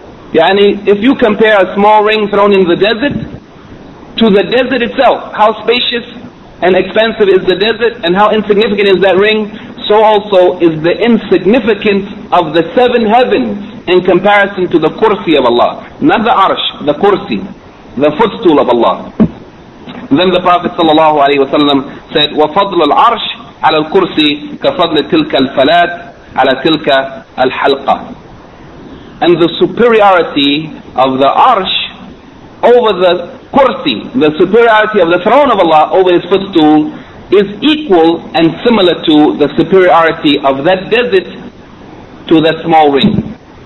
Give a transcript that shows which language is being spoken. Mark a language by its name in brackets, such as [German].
[English] Yani, if you compare a small ring thrown in the desert to the desert itself, how spacious and expansive is the desert and how insignificant is that ring, so also is the insignificance of the seven heavens in comparison to the kursi of Allah. Not the arsh, the kursi, the footstool of Allah. Then the Prophet sallallahu alayhi wa sallam said, [Arabic] وَفَضْلُ الْعَرْشِ عَلَى الْكُرْسِي كَفَضْلِ تِلْكَ الْفَلَاتِ عَلَى تِلْكَ الْحَلْقَةِ. [English] And the superiority of the arsh over the kursi, the superiority of the throne of Allah over his footstool, is equal and similar to the superiority of that desert to that small ring.